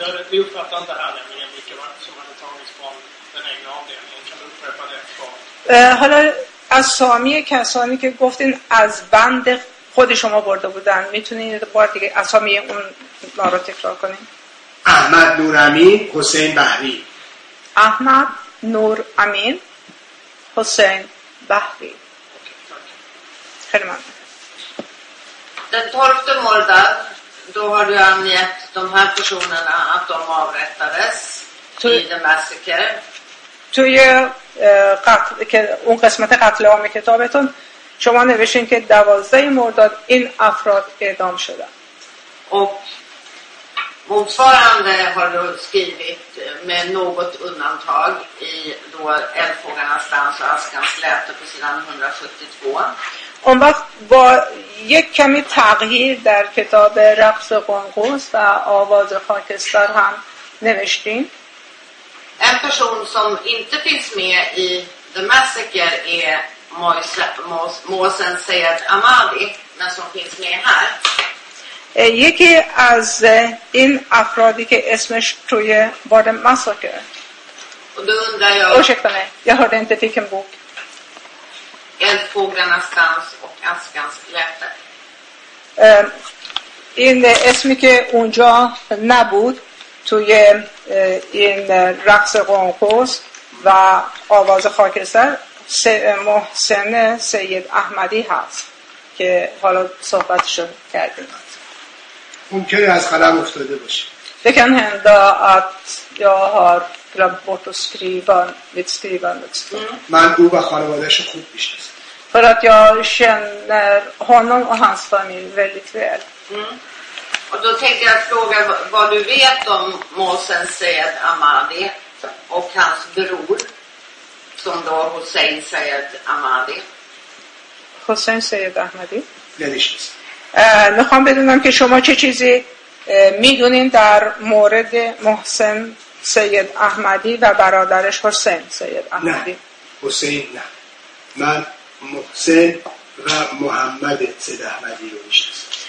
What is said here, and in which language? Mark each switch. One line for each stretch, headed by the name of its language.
Swedish: Vi uppfattar inte här nämligen vilka som hade tagits från den egna avdelningen. Kan du upprepa det?
Persian: Hallå, از سامی کسانی که گفتین از بند خود شما برده بودن میتونین بار دیگه اسامی اون ما رو تکرار کنین؟ احمد نورامین، حسین بحری. احمد نورامین، حسین بحری. خیلی ممنون.
Swedish: Den 12 mordad, då har du angett de här personerna att de avrättades i The Massacre.
Persian: توی قتل که اون قسمت قتل عام کتابتون شما نوشتین که 12 مرداد این افراد اعدام شدن.
Swedish: Och motsvarande har du skrivit med något undantag i då Eldfågarnas dans och Askans släte på sidan 172.
Persian: اون وقت با یک کمی تغییر در کتاب رقص قنقوز و آواز خاکستر هم نوشتین.
Swedish: En person som inte finns med i The Massacre är Mohsen Seyed Ahmadi, men som finns med här.
Persian: یکی از این افرادی که اسمش توی بار مساکر.
Swedish: Och då undrar jag. Ursäkta mig, jag hörde inte vilken bok. Eldfåglarnas dans och Askans läte.
Persian: این اسمی که اونجا نبود توی این رقص قنقوز و آواز خاکستر محسن سید احمدی هست که حالا صحبتش رو کردیم. ممکنه از قلم افتاده باشه.
Swedish: Det kan hända att jag har glömt bort att skriva mitt skrivande. Men du var
Persian: خانواده‌اش خوب می‌شناسی.
Swedish: För att jag känner honom och hans familj väldigt väl. Och då tänkte jag fråga vad du vet om Mohsen Seyed Ahmadi och hans bror som då Hossein Seyed Ahmadi. Hossein Seyed Ahmadi? Gelişmiş.
Persian: میخوام بدونم که شما چه چیزی میدونین در مورد محسن سید احمدی و برادرش حسین سید احمدی. نه حسین نه، من محسن و محمد سید احمدی رو میشناسم.